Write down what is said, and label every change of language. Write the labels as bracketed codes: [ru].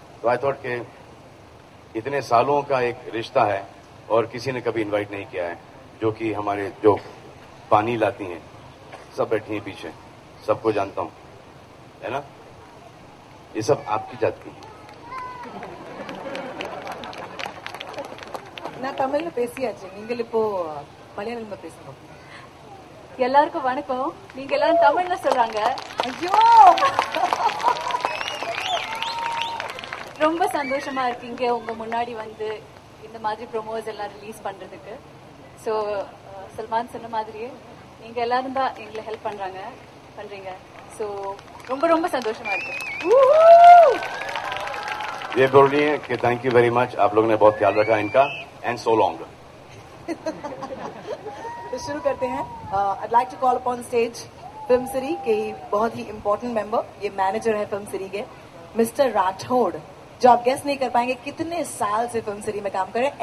[hi] तो [en] I thought [hi] के इतने सालों का एक रिश्ता है और किसी ने कभी इनवाइट नहीं किया है, जो कि हमारे जो पानी लाती हैं सब बैठी हैं पीछे, सबको जानता हूं, है ना, ये सब आपकी जात की. [ta] நான் தமிழ்ல பேசியாச்சு, நீங்க இப்போ மலையாளம்ல பேசணும். எல்லாருக்கும் வணக்கம். நீங்க எல்லாரும் தமிழ்ல சொல்றாங்க, ஐயோ ரொம்ப சந்தோஷமா இருக்கீங்க உங்க முன்னாடி வந்து இந்த மாதிரி ப்ரோமோஸ் எல்லாம் ரிலீஸ் பண்றதுக்கு. சோ சல்மான் சொன்ன மாதிரியே நீங்க எல்லாரும் தான் எங்களை ஹெல்ப் பண்றீங்க. சோ ரொம்ப ரொம்ப சந்தோஷமா இருக்கு. [hi] ये बोल रही है कि [en] thank you very much, [hi] आप लोगों ने बहुत ख्याल रखा इनका, [en] And so long. [hi] तो शुरू करते हैं. [en] I'd like to call upon stage [hi] film city के ही बहुत ही इम्पोर्टेंट मेंबर, ये मैनेजर है फिल्म सिटी के, मिस्टर राठौड़, जो आप गेस नहीं कर पाएंगे कितने साल से फिल्म सिटी में काम कर रहे हैं.